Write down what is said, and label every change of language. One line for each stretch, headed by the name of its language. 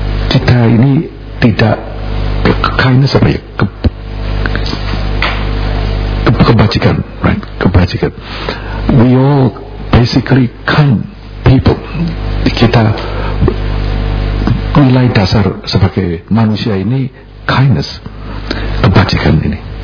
Indonesian: Kita ini tidak kindness apa ya? Kebajikan,
English: right?
Indonesian: Kebajikan.
English: We all basically kind people.
Indonesian: Kita nilai dasar sebagai manusia ini kindness, kebajikan ini.